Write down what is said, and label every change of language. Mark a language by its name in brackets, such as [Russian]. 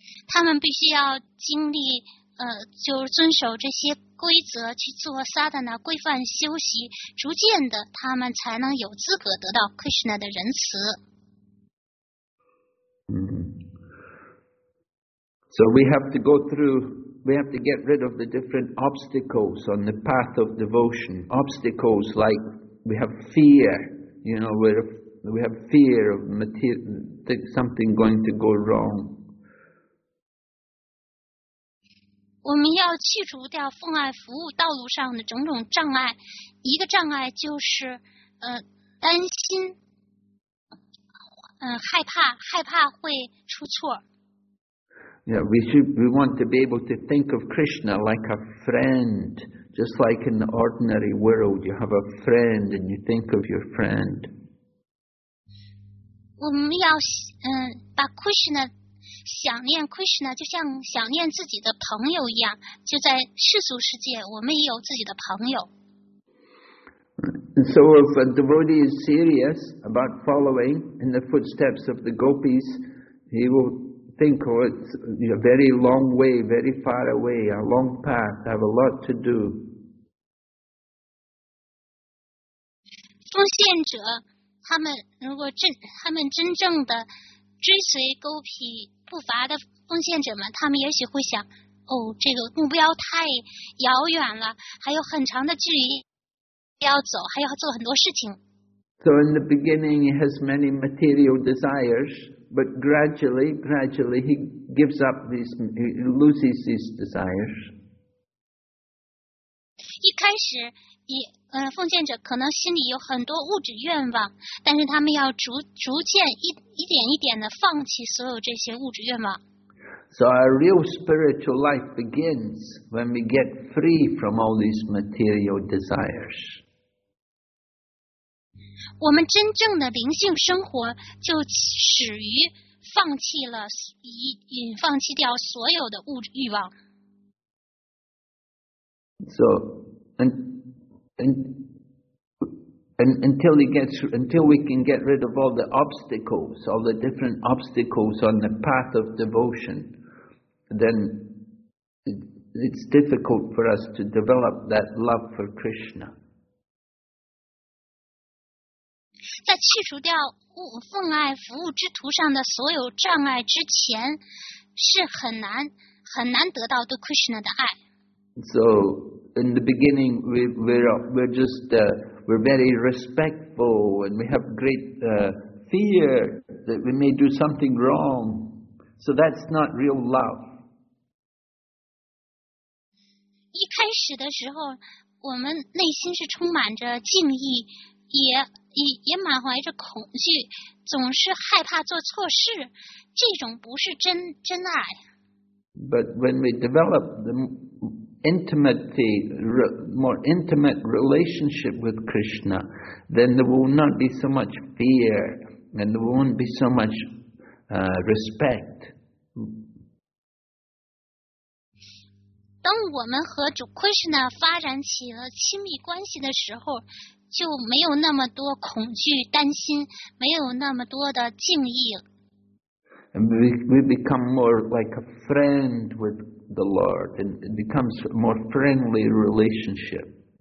[Chinese] 他们必须要经历就遵守这些规则去做萨达那规范修习，逐渐的他们才能有资格得到 Krishna 的仁慈。 [English] So we have to go through, we have to get rid of the different obstacles on the path of devotion. Obstacles like we have fear, you know, we have fear of something going to go wrong. [Chinese] 我们要去除掉奉爱服务道路上的种种障碍，一个障碍就是担心害怕会出错。 [English] Yeah, we want to be able to think of Krishna like a friend, just like in the ordinary world, you have a friend and you think of your friend. [Chinese] 我们要把 Krishna 想念 Krishna 就像想念自己的朋友一样，就在世俗世界，我们也有自己的朋友。 [English] And so if a devotee is serious about following in the footsteps of the gopis, he will think, oh, it's a very long way, very far away, a long path, I have a lot to do. [Chinese] 奉献者，他们如果真正的追随勾皮步伐的奉献者们，他们也许会想，哦，这个目标太遥远了，还有很长的距离要走，还要做很多事情。 [English] So in the beginning he has many material desires, but gradually he gives up loses his desires. [Chinese] 一开始奉献者可能心里有很多物质愿望，但是他们要逐渐 一点一点的放弃所有这些物质愿望。 [English] So our real spiritual life begins when we get free from all these material desires. [Chinese] 我们真正的灵性生活就始于放弃掉所有的物质欲望。 [English] So, until we can get rid of all the obstacles, all the different obstacles on the path of devotion, then it's difficult for us to develop that love for Krishna. [Chinese] 在去除掉奉爱服务之途上的所有障碍之前，是很难得到对 Krishna 的爱。 [English] So in the beginning, we're very respectful and we have great fear that we may do something wrong. So that's not real love. [Chinese] 一开始的时候，我们内心是充满着敬意。也满怀着恐惧，总是害怕做错事，这种不是真爱。 [English] But when we develop the more intimate relationship with Krishna, then there will not be so much fear, and there won't be so much respect. [Chinese] 当我们和主 Krishna 发展起了亲密关系的时候，就没有那么多恐惧、担心，没有那么多的敬意。 [English] And we become more like a friend with the Lord, and it becomes a more friendly relationship.